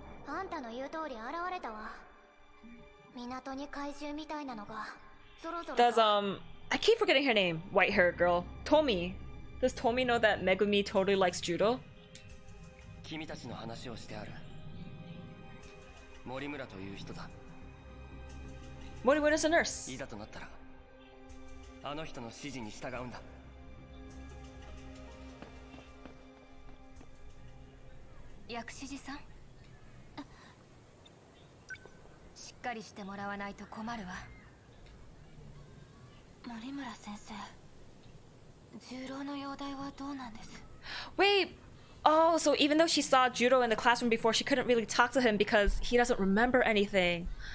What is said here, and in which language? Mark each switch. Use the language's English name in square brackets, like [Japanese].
[Japanese] あんたの言う通り現れたわ。港に怪獣みたいなのがぞろぞろ。 [English] Does I keep forgetting her name. White hair girl. Tomi. Does Tomi know that Megumi totally likes judo? [Japanese] 君たちの話をしてある。森村という人だ。 [English] 森村 is a nurse. [Japanese] いざとなったら、あの人の指示に従うんだ。薬師寺さん、しっかりしてもらわないと困るわ。森村先生、重郎の容態はどうなんです？ [English] Wait! Oh, so even though she saw Judo in the classroom before, she couldn't really talk to him because he doesn't remember anything.